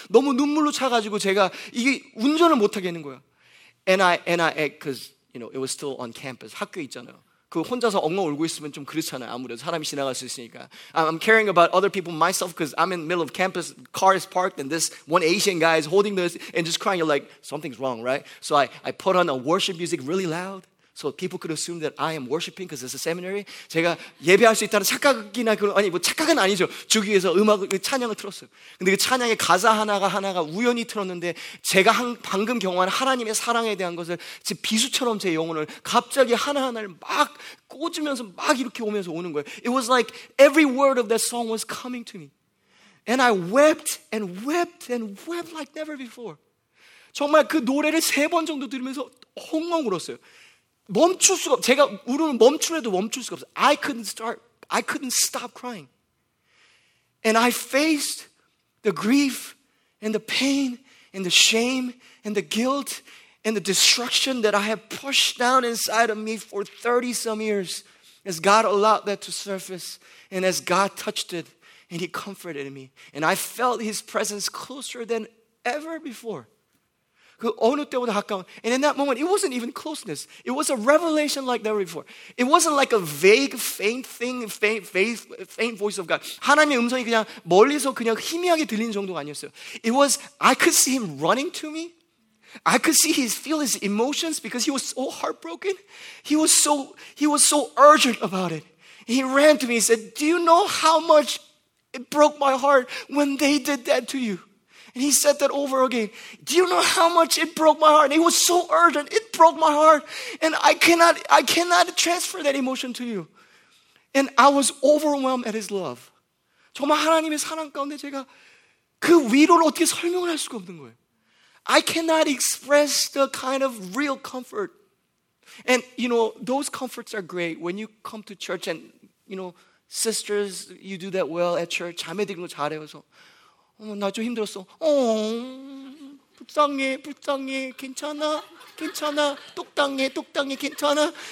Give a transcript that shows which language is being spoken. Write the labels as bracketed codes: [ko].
[ko] 너무 눈물로 차가지고 제가 이게 운전을 못 하겠는 거야. [en] And I, because you know it was still on campus, [ko] 학교 있잖아요. 그 혼자서 엉엉 울고 있으면 좀 그렇잖아요. 아무래도 사람이 지나갈 수 있으니까. [en] I'm caring about other people myself because I'm in the middle of campus. Car is parked and this one Asian guy is holding this and just crying. You're like, something's wrong, right? So I put on a worship music really loud So people could assume that I am worshiping because it's a seminary. [ko] 제가 예배할 수 있다는 착각이나 그런 아니 뭐 착각은 아니죠. 주기 위해서 음악을 찬양을 틀었어요. 근데 그 찬양의 가사 하나가 우연히 틀었는데 제가 방금 경험한 하나님의 사랑에 대한 것을 지금 비수처럼 제 영혼을 갑자기 하나하나를 막 꽂으면서 막 이렇게 오면서 오는 거예요. [en] It was like every word of that song was coming to me. And I wept and wept and wept like never before. [ko] 정말 그 노래를 세 번 정도 들으면서 엉엉 울었어요. 멈출 수가 제가 우르는 멈추려도 멈출 수가 없어요. [en] I couldn't stop crying. And I faced the grief and the pain and the shame and the guilt and the destruction that I have pushed down inside of me for 30 some years as God allowed that to surface and as God touched it and he comforted me and I felt his presence closer than ever before. [ko] 그 어느 때보다 가까운 [en] and in that moment it wasn't even closeness it was a revelation like never before it wasn't like a vague faint thing faint voice of God [ko] 하나님의 음성이 그냥 멀리서 그냥 희미하게 들리는 정도가 아니었어요 [en] it was I could see him running to me I could see his feel his emotions because he was so heartbroken he was so urgent about it he ran to me and said do you know how much it broke my heart when they did that to you And he said that over again. Do you know how much it broke my heart? It was so urgent. It broke my heart. And I cannot transfer that emotion to you. And I was overwhelmed at his love. [ko] 정말 하나님의 사랑 가운데 제가 그 위로를 어떻게 설명을 할 수가 없는 거예요. [en] I cannot express the kind of real comfort. And, you know, those comforts are great when you come to church and, you know, sisters, you do that well at church. [ko] 자매들이 그거 잘해서. 어머 나 좀 힘들었어. 어 불쌍해 괜찮아 똑당해 괜찮아.